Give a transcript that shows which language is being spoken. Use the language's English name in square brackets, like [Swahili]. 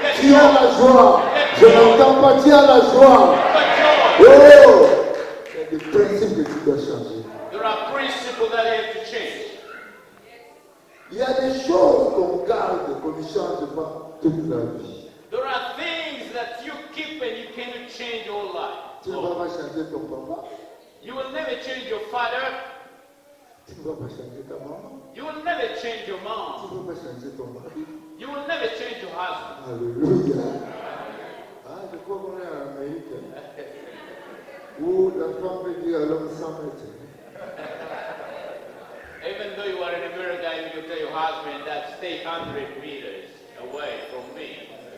[French] Tu as la joie. Je n'entends pas, tu as la joie. Oh! Il y a des principes que tu dois changer. [English] There are principles that have to change. [French] Il y a des choses qu'on garde, qu'on ne change pas toute la vie. [English] There are things that you keep and you cannot change your life. [French] Tu ne vas pas changer ton papa. [English] You will never change your father. [French] Tu ne vas pas changer ta maman. [English] You will never change your mom. [French] Tu ne vas pas changer ton mari. [English] You will never change your husband. [French] Alléluia. Ah, je crois qu'on est en Amérique. Où la femme peut dire à l'homme 100 mètres. [English] Even though you are in America, you can tell your husband that stay 100 meters away from me.